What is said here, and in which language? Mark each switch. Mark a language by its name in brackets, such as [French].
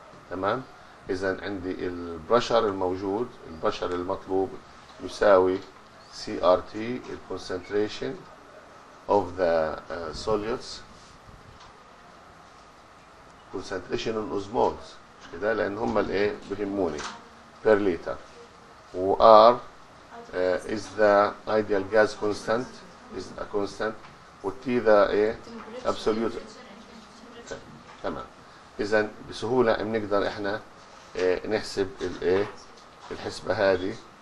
[Arabic] تمام؟ إذا عندي البرشر الموجود، البرشر المطلوب يساوي CRT [English] concentration of the solutes concentration in osmoles، [Arabic] مش كده؟ لأن هم الـ إيه؟ بهموني [English] per liter. و R is the ideal gas constant is a constant و T the إيه؟ absolute. [Arabic] تمام. إذا بسهولة بنقدر إحنا نحسب الإيه الحسبة هذه.